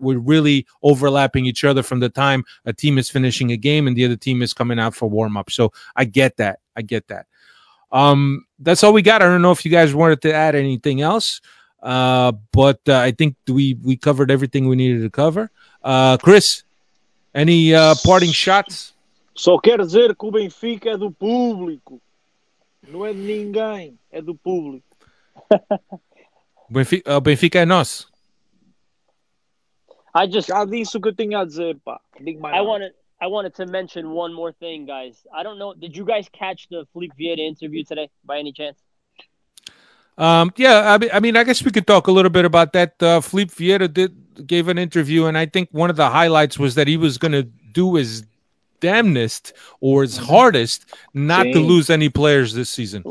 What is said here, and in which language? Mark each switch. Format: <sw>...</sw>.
<en>We're really overlapping each other from the time a team is finishing a game and the other team is coming out for warm-up. So I get that. That's all we got. I don't know if you guys wanted to add anything else. But I think we covered everything we needed to cover. Chris, any parting shots?</en> <pt>Só quer dizer que o Benfica é do público. Não é de ninguém, é do público. O Benfica é nosso. Já disse o que eu tinha a dizer, pá.</pt> <en>I wanted to mention one more thing, guys. I don't know. Did you guys catch the Felipe Vieira interview today, by any chance? Yeah, I mean, I guess we could talk a little bit about that. Felipe Vieira gave an interview, and I think one of the highlights was that he was going to do his damnest or his hardest not to lose any players this season.</en>